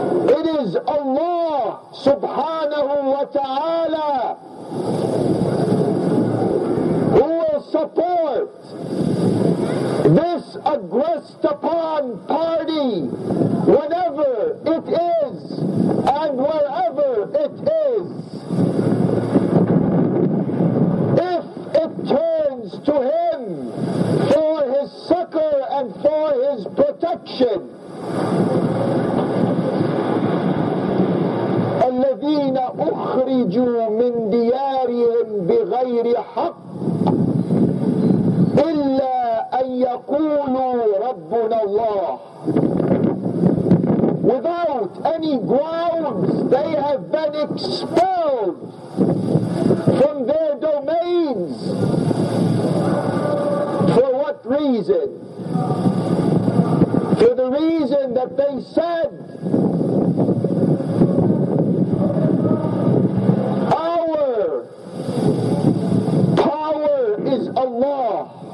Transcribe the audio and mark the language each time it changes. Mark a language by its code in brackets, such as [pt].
[en] It is Allah subhanahu wa ta'ala who will support this aggressed upon party whenever it is and wherever it is. If it turns to him for his succor and for his protection. [ar] الذين أخرجوا من ديارهم بغير حق إلا أن يقولوا ربنا الله. [en] Without any grounds, they have been expelled from their domains. For what reason? For the reason that they said, our power is Allah.